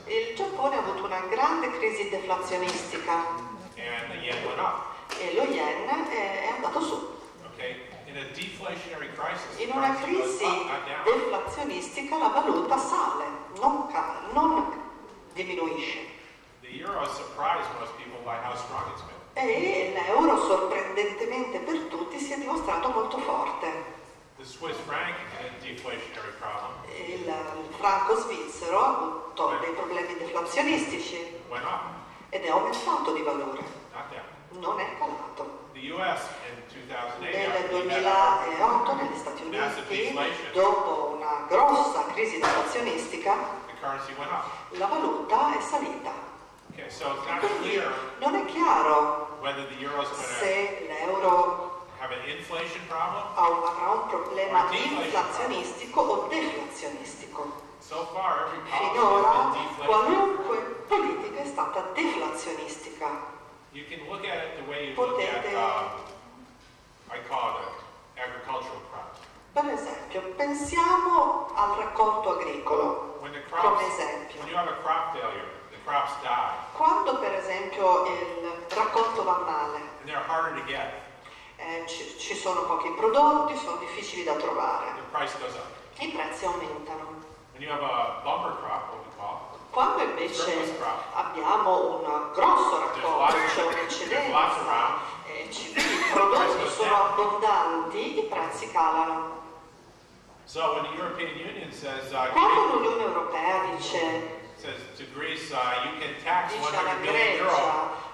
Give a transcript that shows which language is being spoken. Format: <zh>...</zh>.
<it>Il Giappone ha avuto una grande crisi deflazionistica.</it> <en>And the yen went up.</en> <it>E lo yen è andato su.</it> <en>Okay. In a deflationary crisis,</en> <it>in una crisi deflazionistica la valuta sale, non cala, non diminuisce.</it> <en>The euro surprised most people by how strong it's been.</en> <it>E l'euro sorprendentemente per tutti si è dimostrato molto forte.</it> <en>The Swiss franc had a deflationary problem.</en> <it>Il franco svizzero ha avuto dei problemi deflazionistici.</it> <en>Went up.</en> <it>Ed è aumentato di valore.</it> <en>Not down.</en> <it>Non è calato.</it> <en>The US in</en> <it>2008, nel 2008 negli Stati Uniti, dopo una grossa crisi deflazionistica,</it> <en>the currency went up.</en> <it>La valuta è salita.</it> <en>So it's not clear.</en> <it>Non è chiaro</it> <en>whether the euro's gonna</en> <it>se l'euro</it> <en>have an inflation problem</en> <it>avrà un problema inflazionistico o deflazionistico.</it> <en>So far,</en> <it>finora qualunque politica è stata deflazionistica.</it> <en>You can look at it the way you</en> <it>potete</it> <en>I call it agricultural product.</en> <it>Per esempio, pensiamo al raccolto agricolo.</it> <en>When the crops,</en> <it>come esempio.</it> <en>When you have a crop failure, crops die.</en> <it>Quando per esempio il raccolto va male,</it> <en>and they're harder to get.</en> <it>Ci sono pochi prodotti, sono difficili da trovare,</it> <en>the price goes up.</en> <it>I prezzi aumentano.</it> <en>When you have a bumper crop, what we call,</en> <it>quando invece abbiamo un grosso raccolto, cioè un'eccedenza, i prodotti sono abbondanti, i prezzi calano.</it> <en>So when the European Union says,</en> <it>quando l'Unione Europea dice</it> <en>to Greece, you can tax 100 million euro.</en>